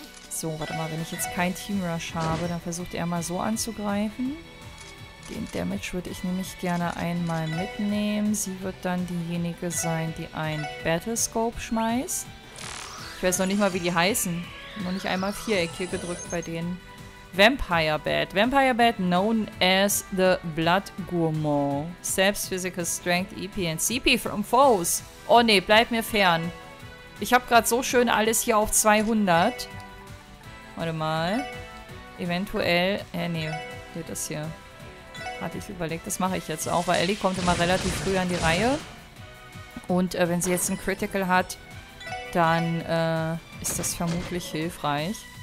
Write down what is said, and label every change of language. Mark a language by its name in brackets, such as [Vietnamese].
[German] So, warte mal, wenn ich jetzt keinen Team Rush habe, dann versucht er mal so anzugreifen. Den Damage würde ich nämlich gerne einmal mitnehmen. Sie wird dann diejenige sein, die ein Battlescope schmeißt. Ich weiß noch nicht mal, wie die heißen. Noch nicht einmal Viereck hier gedrückt bei denen. [English] Vampire Bat. Vampire Bat known as the Blood Gourmand. Saps Physical Strength, EP and CP from Foes. [German] Oh ne, bleib mir fern. Ich habe gerade so schön alles hier auf 200. Warte mal. Eventuell. Nee, das hier. Hatte ich überlegt. Das mache ich jetzt auch, weil Ellie kommt immer relativ früh an die Reihe. Und wenn sie jetzt ein Critical hat, dann ist das vermutlich hilfreich.